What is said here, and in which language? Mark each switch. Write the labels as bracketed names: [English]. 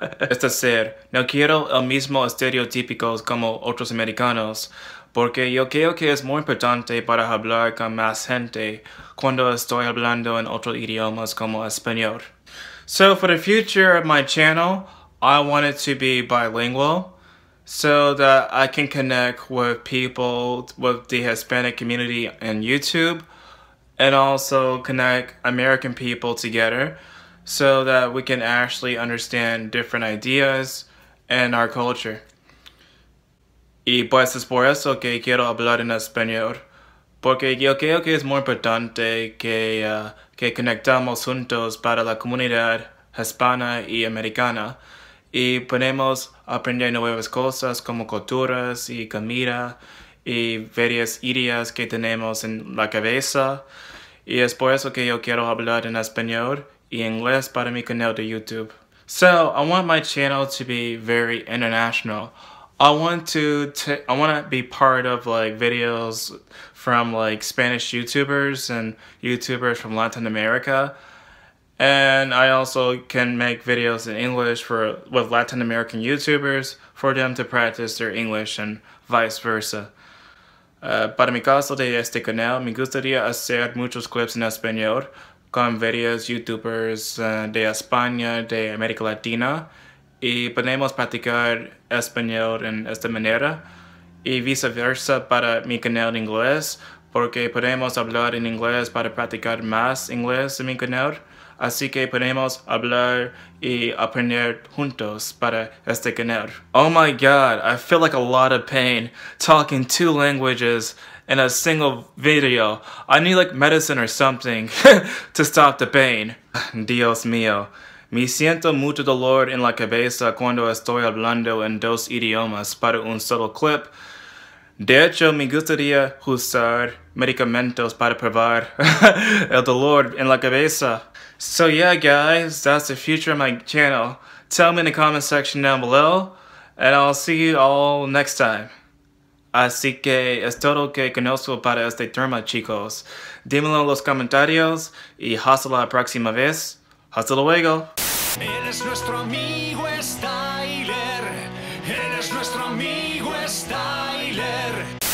[Spanish] Es decir, no quiero el mismo estereotípico como otros americanos, porque yo creo que es muy importante para hablar con más gente cuando estoy hablando en otros idiomas como español. [English] So for the future of my channel, I want it to be bilingual, so that I can connect with people with the Hispanic community and YouTube, and also connect American people together so that we can actually understand different ideas and our culture. [Spanish] Y pues es por eso que quiero hablar en español, porque yo creo que es muy importante que conectamos juntos para la comunidad hispana y americana. Y podemos aprender nuevas cosas como culturas y comida y varias ideas que tenemos en la cabeza. Y es por eso que yo quiero hablar en español y inglés para mi canal de YouTube. [English] So, I want my channel to be very international. I want to be part of like videos from like Spanish YouTubers and YouTubers from Latin America. And I also can make videos in English with Latin American YouTubers for them to practice their English and vice versa. [Spanish] Para mi caso de este canal, me gustaría hacer muchos clips en español con varios YouTubers de España, de América Latina, y podemos practicar español en esta manera, y vice versa para mi canal de inglés, porque podemos hablar en inglés para practicar más inglés en mi canal. Así que podemos hablar y aprender juntos para este canal. [English] Oh my god, I feel like a lot of pain talking 2 languages in a single video. I need like medicine or something to stop the pain. [Spanish] Dios mío, me siento mucho dolor en la cabeza cuando estoy hablando en 2 idiomas para un solo clip. De hecho, me gustaría usar medicamentos para probar el dolor en la cabeza. [English] So yeah, guys, that's the future of my channel. Tell me in the comment section down below, and I'll see you all next time. [Spanish] Así que es todo lo que conozco para este tema, chicos. Dímelo en los comentarios, y hasta la próxima vez. Hasta luego. Él es nuestro amigo Styler. Él es nuestro amigo Styler.